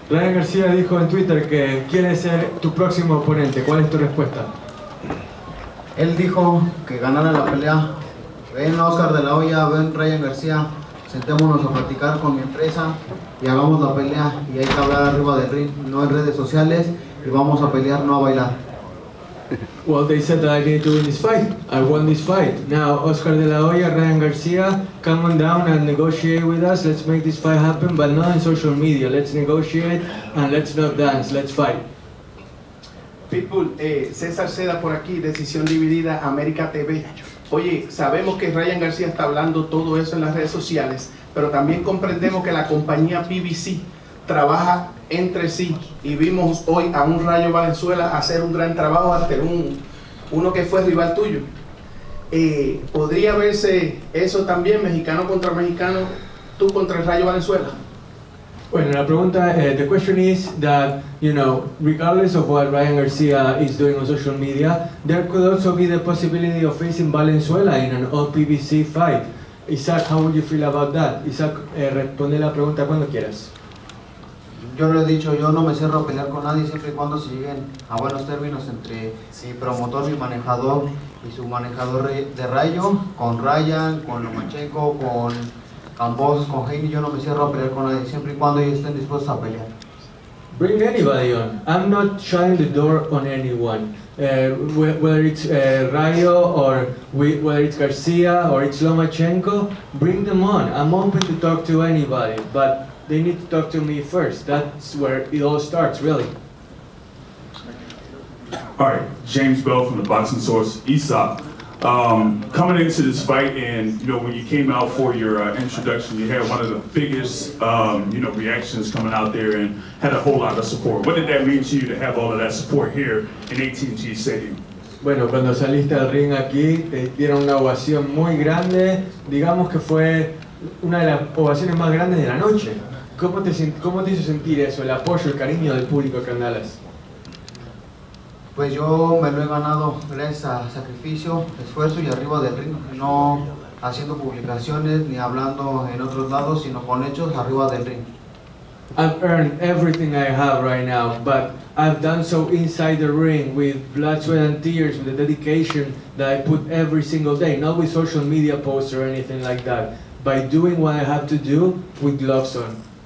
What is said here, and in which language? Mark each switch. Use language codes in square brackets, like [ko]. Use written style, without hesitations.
[es] Ryan Garcia dijo en Twitter que quiere ser tu próximo oponente. ¿Cuál es tu respuesta? Él dijo que ganara la pelea. Ven, Oscar de la Hoya, ven, Ryan García. Sentémonos a platicar con mi empresa y hagamos la pelea. Y hay que hablar arriba del ring, no en redes sociales. Y vamos a pelear, no a bailar. [en] Well, they said that I need to win this fight. I won this fight. Now, Oscar de la Hoya, Ryan García, come on down and negotiate with us. Let's make this fight happen, but not in social media. Let's negotiate and let's not dance. Let's fight. People, [es] César Seda por aquí, Decisión Dividida, América TV. Oye, sabemos que Ryan García está hablando todo eso en las redes sociales, pero también comprendemos que la compañía BBC trabaja entre sí, y vimos hoy a un Rayo Valenzuela hacer un gran trabajo ante uno que fue rival tuyo. ¿Podría verse eso también, mexicano contra mexicano, tú contra el Rayo Valenzuela? Bueno, la pregunta, [en] the question is that, you know, regardless of what Ryan Garcia is doing on social media, there could also be the possibility of facing Valenzuela in an all-PBC fight. Isaac, how would you feel about that? Isaac, [es] responde la pregunta cuando quieras. Yo le he dicho, yo no me cierro a pelear con nadie siempre y cuando se lleguen a buenos términos entre mi promotor, mi manejador y su manejador de Rayo, con Ryan, con Lomachenko, con Campos, con Jaime, yo no me cierro a pelear con nadie, siempre y cuando ellos estén dispuestos a pelear. [en] Bring anybody on. I'm not shutting the door on anyone. Whether it's Rayo or whether it's Garcia or it's Lomachenko, bring them on. I'm open to talk to anybody, but they need to talk to me first. That's where it all starts, really. All right, James Bell from the Boxing Source, ESOP. Coming into this fight, and you know, when you came out for your introduction, you had one of the biggest you know, reactions coming out there and had a whole lot of support. What did that mean to you to have all of that support here in AT&T Stadium? [es] Bueno, cuando saliste al ring aquí, te dieron una ovación muy grande. Digamos que fue una de las ovaciones más grandes de la noche. ¿Cómo te hizo sentir eso, el apoyo, el cariño del público que andalas? Pues yo me lo he ganado gracias a sacrificio, esfuerzo y arriba del ring, no haciendo publicaciones ni hablando en otros lados, sino con hechos arriba del ring. [en] I've earned everything I have right now, but I've done so inside the ring with blood, sweat and tears, with the dedication that I put every single day, not with social media posts or anything like that, by doing what I have to do with gloves on.